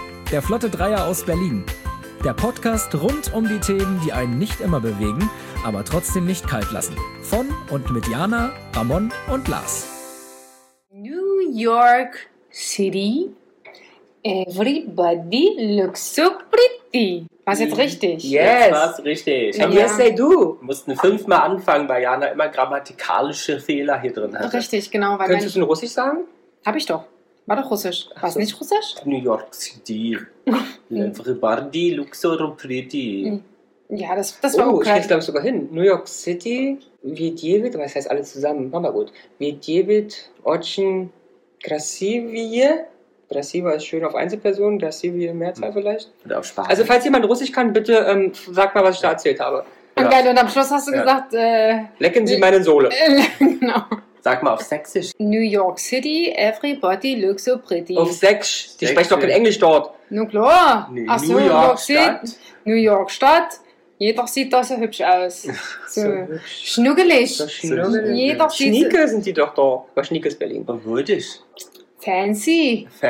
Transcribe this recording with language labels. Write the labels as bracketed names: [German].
[German] der flotte Dreier aus Berlin. Der Podcast rund um die Themen, die einen nicht immer bewegen, aber trotzdem nicht kalt lassen. Von und mit Jana, Ramon und Lars. [English] New York City. Everybody looks so pretty. [German] War's jetzt richtig? [English] Yes. [German] Jetzt war's richtig. Yes, say du. Mussten fünfmal anfangen, weil Jana immer grammatikalische Fehler hier drin hat. Richtig, genau. Weil könntest du in Russisch sagen? Hab ich doch. War doch Russisch. War's nicht Russisch? [English] New York City. Everybody looks so pretty. [German] Ja, das war okay. Oh, ich krieg's, glaube ich, sogar hin. New York City, Vedjevit, was heißt alles zusammen? War mal gut. Vedjevit, Ochen, Krasivie. Das hier war schön auf Einzelpersonen, das hier wie Mehrzahl vielleicht. Oder auf Spaß. Also falls jemand Russisch kann, bitte sag mal, was ich da erzählt habe. Okay, und am Schluss hast du gesagt... Lecken Sie meine Sohle. Genau. Sag mal auf Sächsisch. [English] New York City, everybody looks so pretty. [German] Auf Sächsisch, die sprechen doch kein Englisch dort. Nun klar. Ach so, New York Stadt. New York Stadt. Jeder sieht da so hübsch aus. So hübsch. Schnuggelig. Schnieke sind die doch da. Was Schnieke ist Berlin. Aber würdig. [English] Fancy.